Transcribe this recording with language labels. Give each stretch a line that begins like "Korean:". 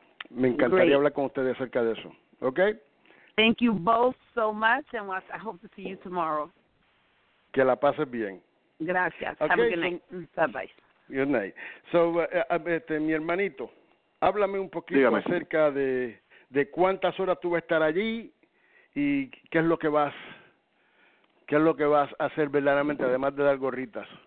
Spanish: Me encantaría hablar con ustedes acerca de eso.
English: Okay? Thank you both so much, and I hope to see you tomorrow.
Spanish: Que la pases bien. Gracias.
English: Okay. Have a good night. So, bye. Good night. So,
Spanish: mi hermanito, háblame un poquito acerca de cuántas horas tú vas a estar allí y qué es lo que vas a hacer verdaderamente, además de dar gorritas.